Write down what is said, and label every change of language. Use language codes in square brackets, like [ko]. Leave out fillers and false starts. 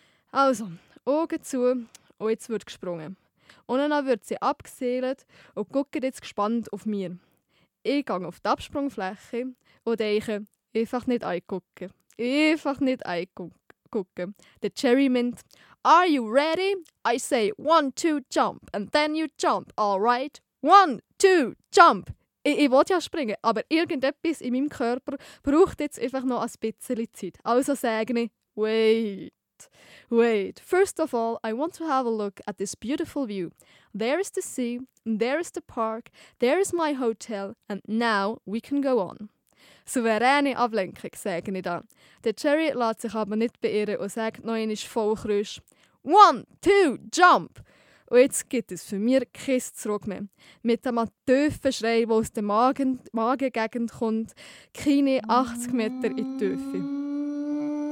[de] Also, Augen zu und jetzt wird gesprungen. Und dann wird sie abgeseelt und guckt jetzt gespannt auf mir. Ich gehe auf die Absprungfläche und denke, einfach nicht eingucken. Einfach nicht eingucken. Der Jerry meint, [en] «Are you ready? I say one, two, jump, and then you jump, alright? One, two, jump!» [de] Ich will ja springen, aber irgendetwas in meinem Körper braucht jetzt einfach noch ein bisschen Zeit. Also sage ich, wait. [en] First of all, I want to have a look at this beautiful view. There is the sea, there is the park, there is my hotel, and now we can go on. [de] Souveräne Ablenkung, sage ich da. Der Jerry lässt sich aber nicht beirren und sagt noch einmal voll krüsch. [en] One, two, jump! [de] Und jetzt gibt es für mich kein Zurück mehr. Mit einem tiefen Schrei, der aus der Magengegend kommt, keine 80 Meter in die Tiefe.